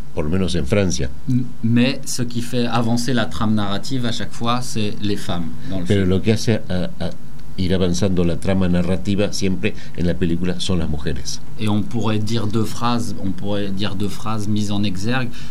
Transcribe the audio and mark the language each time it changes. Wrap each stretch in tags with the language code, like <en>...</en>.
<es>Por lo menos en Francia.</es> <fr>Mais ce qui fait avancer la trame narrative à chaque fois, c'est les femmes.</fr> <es>Pero lo que hace ir avanzando la trama narrativa siempre en la película son las mujeres.</es> <fr>Et on pourrait dire deux phrases mises en exergue.</fr>